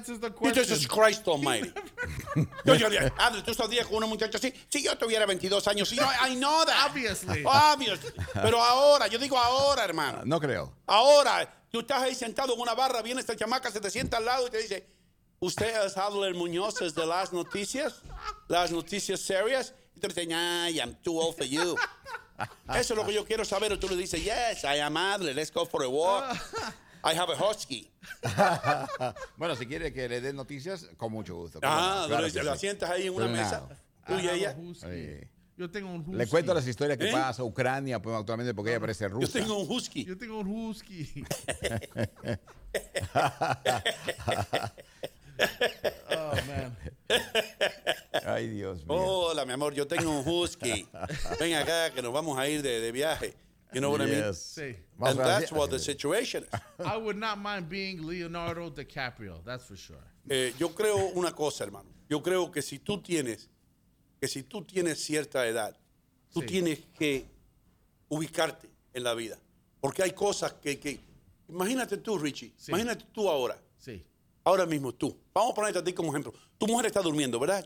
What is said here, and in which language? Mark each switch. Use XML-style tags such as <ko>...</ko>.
<en>Jesus Christ Almighty.</en> <es>Adel, ¿tú saldrías con una muchacha así? Si yo tuviera 22 años, si yo,</es> <en>I know that.</en> <es>Obviously. Pero ahora, yo digo ahora, hermano. No creo. Ahora, tú estás ahí sentado en una barra, viene esta chamaca, se te sienta al lado y te dice... ¿Usted es Adler Muñoz, es de Las Noticias? ¿Las Noticias Serias? Y tú le dices, ay,</es> <en>I'm too old for you.</en> <es>Eso es lo que yo quiero saber. Y tú le dices,</es> <en>yes, I am Adler, let's go for a walk. I have a husky.</en> <es>Bueno, si quiere que le dé noticias, con mucho gusto. Ah, claro, pero la sientas ahí en una mesa. Tú y ella. Yo tengo un husky. Le cuento las historias que pasa a Ucrania pues, actualmente porque ella parece rusa. Yo tengo un husky.</es> <en>Oh, man.</en> <es>Ay, Dios mío. Hola, mi amor, yo tengo un husky. Ven acá que nos vamos a ir de viaje.</es> <en>You know what yes. I mean?</en> <es>Sí.</es> <en>And that's what the situation is. I would not mind being Leonardo DiCaprio, that's for sure.</en> <es>Yo creo una cosa, hermano. Yo creo que si tú tienes cierta edad, tú sí. tienes que ubicarte en la vida. Porque hay cosas que imagínate tú, Richie. Sí. Imagínate tú ahora. Sí. Ahora mismo tú. Vamos a ponerte a ti como ejemplo. Tu mujer está durmiendo, ¿verdad?</es>